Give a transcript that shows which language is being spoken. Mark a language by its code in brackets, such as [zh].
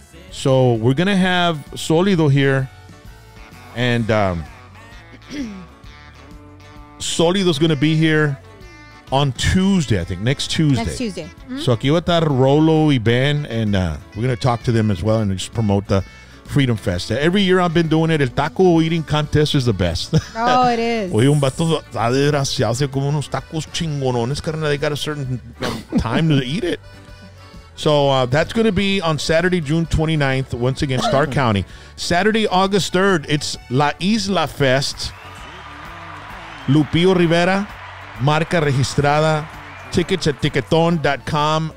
[en] So we're going to have Solido here, and Solido's going to be here, on Tuesday, I think. Next Tuesday. Next Tuesday. Mm-hmm. So [es] aquí va a estar Rolo y Ben, [en] and we're going to talk to them as well and just promote the Freedom Fest. Every year I've been doing it, el taco eating contest is the best. Oh, it is. [es] Oye, un vato está desgraciado, hace como unos tacos chingonones, carnal. [en] They got a certain time to eat it. So that's going to be on Saturday, June 29th, once again, Star County. Saturday, August 3rd, it's La Isla Fest. Lupio Rivera, marca registrada, tickets at tiquetón.com.